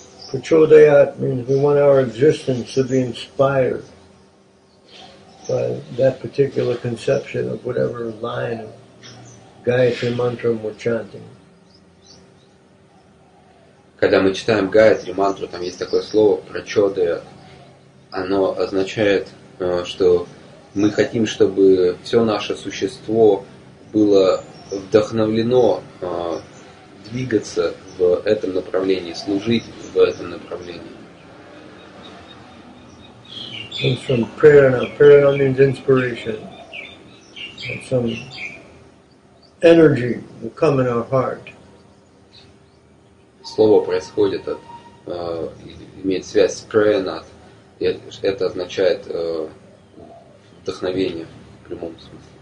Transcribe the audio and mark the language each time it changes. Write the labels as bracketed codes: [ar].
[en] Prachodayat means we want our existence to be inspired by that particular conception of whatever line of Gayatri Mantra we're chanting. [ru] Когда мы читаем Гаятри Мантру, там есть такое слово Прачодаят. Оно означает, что мы хотим, чтобы все наше существо было вдохновлено двигаться в этом направлении, служить в этом направлении. [en] It's from prerana. Prerana means inspiration. of some energy will come in our heart. [ru] Слово происходит от, имеет связь с prayer, и это означает вдохновение в прямом смысле.